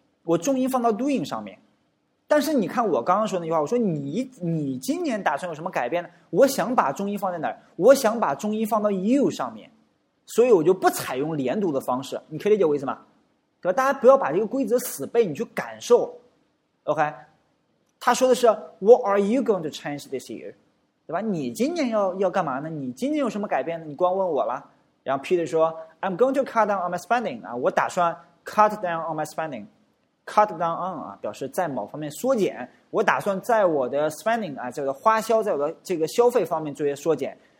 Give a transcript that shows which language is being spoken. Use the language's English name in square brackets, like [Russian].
[Chinese] 我重音放到 doing 上面。但是你看我刚刚说那句话，我说你今年打算有什么改变呢？我想把重音放在哪儿？我想把重音放到 you 上面，所以我就不采用连读的方式。你可以理解我意思吗？对吧？大家不要把这个规则死背，你去感受。 [English] OK， [Chinese] 他说的是 [English] What are you going to change this year? [Chinese] 对吧？你今年要干嘛呢？你今年有什么改变呢？你光问我了。然后 [English] Peter [Chinese] 说 [English] ：“I'm going to cut down on my spending 啊， [Chinese] 我打算 [English] cut down on my spending， cut down on 啊， [Chinese] 表示在某方面缩减。我打算在我的 spending 啊，叫做花销，在我的这个消费方面做些缩减。